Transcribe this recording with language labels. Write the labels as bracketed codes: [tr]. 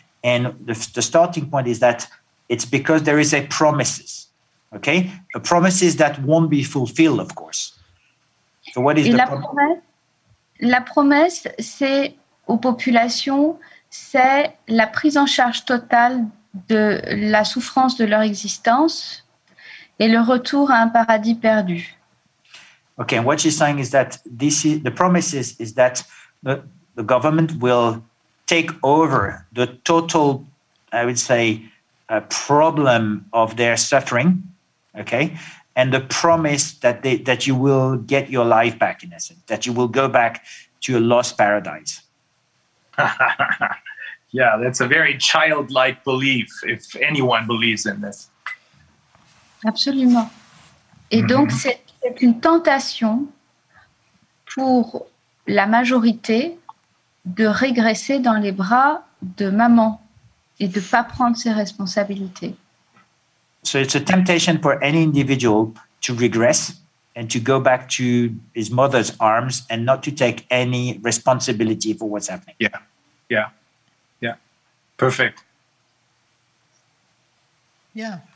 [en] And the starting point is that it's because there is a promise, okay? A promise that won't be fulfilled, of course. So what is [fr] La promesse, c'est aux populations, c'est la prise en charge totale de la souffrance de leur existence et le retour à un paradis perdu. [en] Okay, and what she's saying is that the promise is that the government will take over the total, I would say, problem of their suffering, okay? And the promise that you will get your life back, in essence, that you will go back to a lost paradise. Yeah, that's a very childlike belief, if anyone believes in this. [fr] Absolument. Et donc, c'est une tentation pour la majorité de régresser dans les bras de maman et de ne pas prendre ses responsabilités. [en] So it's a temptation for any individual to regress and to go back to his mother's arms and not to take any responsibility for what's happening. Yeah, yeah, yeah. Perfect. Yeah.